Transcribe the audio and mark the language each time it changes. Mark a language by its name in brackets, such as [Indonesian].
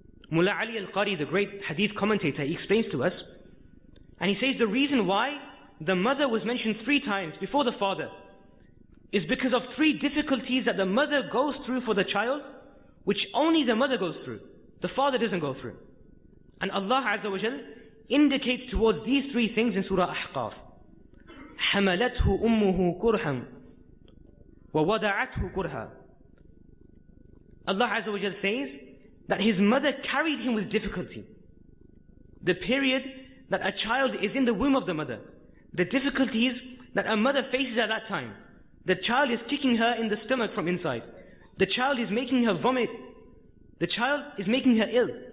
[English] Mullah Ali Al-Qari, the great hadith commentator, he explains to us, and he says the reason why the mother was mentioned 3 times before the father is because of 3 difficulties that the mother goes through for the child, which only the mother goes through. The father doesn't go through. And Allah Azza wa Jal indicates towards these 3 things in Surah Ahqaf. [Arabic] حَمَلَتْهُ أُمُّهُ كُرْهًا وَوَضَعَتْهُ كُرْهًا. [English] Allah Azza wa Jal says that his mother carried him with difficulty. The period that a child is in the womb of the mother, the difficulties that a mother faces at that time, the child is kicking her in the stomach from inside. The child is making her vomit. The child is making her ill.